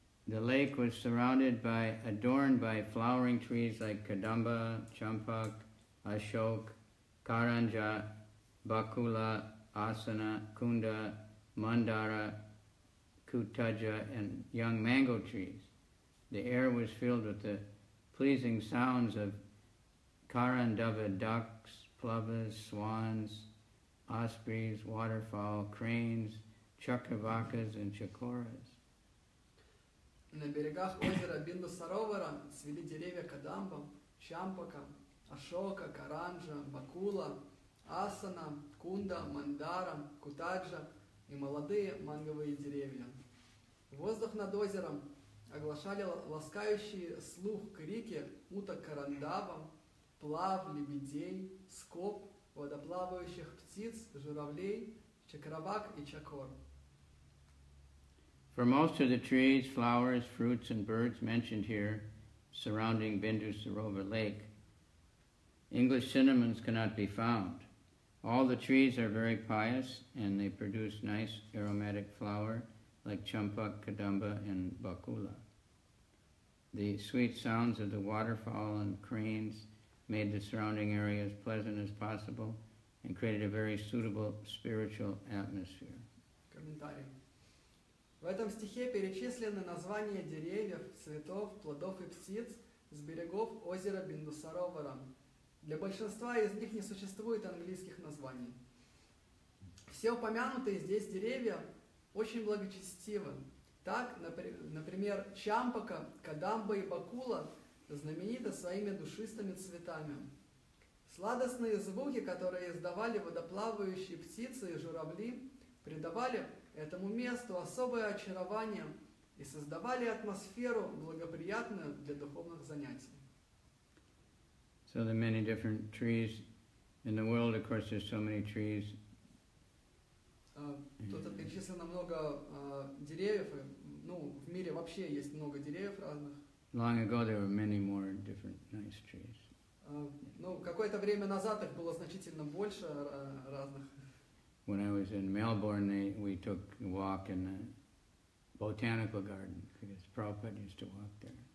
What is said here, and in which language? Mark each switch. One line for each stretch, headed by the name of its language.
English: The lake was adorned by flowering trees like Kadamba, Champak, Ashok, Karanja, Bakula, Asana, Kunda, Mandara, Kutaja, and young mango trees. The air was filled with the pleasing sounds of Karandava ducks, plovas, swans, ospreys, waterfowl, cranes, chakravakas, and chakoras.
Russian: На берегах озера Биндусаровара цвели деревья кадамба, чампака, ашока, каранджа, бакула, асана, кунда, мандара, кутаджа и молодые манговые деревья. Воздух над озером оглашали ласкающие слух крики уток карандава, плав, лебедей, скоп, водоплавающих птиц, журавлей, чакравак и чакор.
English: For most of the trees, flowers, fruits, and birds mentioned here surrounding Bindusarova Lake, English cinnamons cannot be found. All the trees are very pious, and they produce nice aromatic flower like champak, kadamba, and bakula. The sweet sounds of the waterfowl and cranes made the surrounding area as pleasant as possible and created a very suitable spiritual atmosphere.
Russian: Комментарий. В этом стихе перечислены названия деревьев, цветов, плодов и птиц с берегов озера Биндусаровара. Для большинства из них не существует английских названий. Все упомянутые здесь деревья очень благочестивы. Так, например, чампака, кадамба и бакула знамениты своими душистыми цветами. Сладостные звуки, которые издавали водоплавающие птицы и журавли, придавали этому месту особое очарование и создавали атмосферу, благоприятную для духовных занятий.
English: So there are many different trees in the world. Of course, there's so many trees.
Russian: Тут перечислено много деревьев. Ну, в мире вообще есть много деревьев разных.
English: Long ago, there were many more different nice trees.
Russian: Ну, какое-то время назад их было значительно больше разных.
English: When I was in Melbourne, we took a walk in the botanical garden because Prabhupada used to walk there.